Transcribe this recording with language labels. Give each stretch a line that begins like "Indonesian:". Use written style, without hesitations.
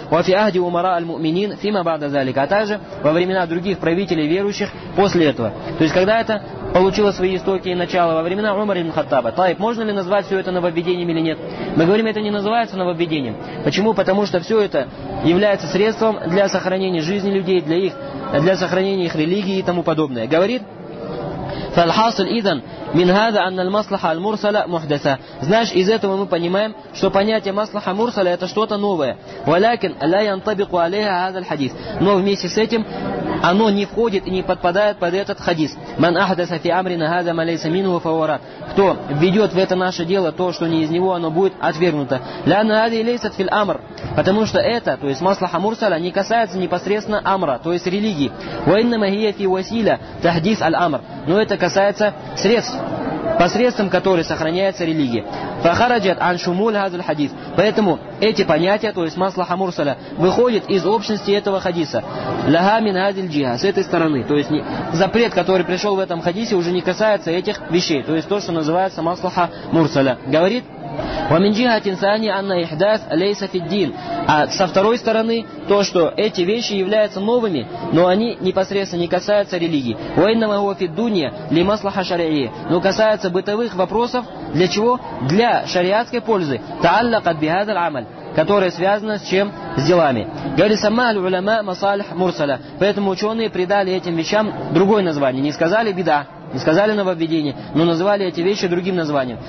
Arabic: Уафи ахди Умара аль-муминин фима бада залика.
Russian: А также во времена других правителей верующих после этого. То есть когда это получила свои истоки и начало во времена Умара ибн Хаттаба. Тайб, можно ли назвать все это нововведением или нет? Мы говорим, это не называется нововведением. Почему? Потому что все это является средством для сохранения жизни людей, для сохранения их религии и тому подобное. Говорит
Arabic: فَالْحَاصِلْ إِذَنْ مِنْ هَذَا أَنَّ الْمَصْلَحَ الْمُرْسَلَ مُحْدَثَ.
Russian: Знаешь, из этого мы понимаем, что понятие «маслаха мурсала» – это что-то новое.
Arabic: وَلَكِنْ لَا يَنْطَبِقُ عَلَيْهَا هَذَا الْحَدِيثِ.
Russian: Но вместе с этим оно не входит и не подпадает под этот хадис.
Arabic: «Мَنْ أَحْدَثَ فِي أَمْرِنَ هَذَا مَا لَيْسَ مِنْهُ فَهُوَ رَدٌّ.
Russian: Кто введет в это наше дело то, что не из него, оно будет отвергнуто.
Arabic: لَأَنَّ هَذِهِ لَيْسَتْ فِي الْأَمْرِ.
Russian: Потому что это, то есть «маслаха мурсала», не касается непосредственно «амра», то есть религии.
Arabic: وَإِنَّمَا هِيَ فِي وَسِيلَ تَحْدِيث الْأَمْرِ.
Russian: Но это касается средств, посредством которых сохраняется религия.
Arabic: فَخَرَجَتْ عَنْ شُمُولِ هَذَا الْحَدِيثِ.
Russian: Поэтому эти понятия, то есть «маслаха мурсала», выходят из общности этого хадиса.
Arabic: لَهَا مِنْ هَذِ الْجِهَةِ.
Russian: С этой стороны. То есть запрет, который пришел в этом хадисе, уже не касается этих вещей. То есть то, что называется «маслаха мурсала». Говорит
Arabic: ومن جهة ثانية أن إحداث ليس في الدين.
Russian: А со второй стороны то, что эти вещи являются новыми, но они непосредственно не касаются религии.
Arabic: وإنما هو في الدنيا لمصلحة شرعية.
Russian: Но касается бытовых вопросов для чего? Для шариатской пользы.
Arabic: تعلقت بهذا العمل.
Russian: Которая связана с чем? С делами. Говорит,
Arabic: сама аль-улама масалих мурсала.
Russian: Поэтому ученые придали этим вещам другое название. Не сказали беда, не сказали нововведение, но назвали эти вещи другим названием.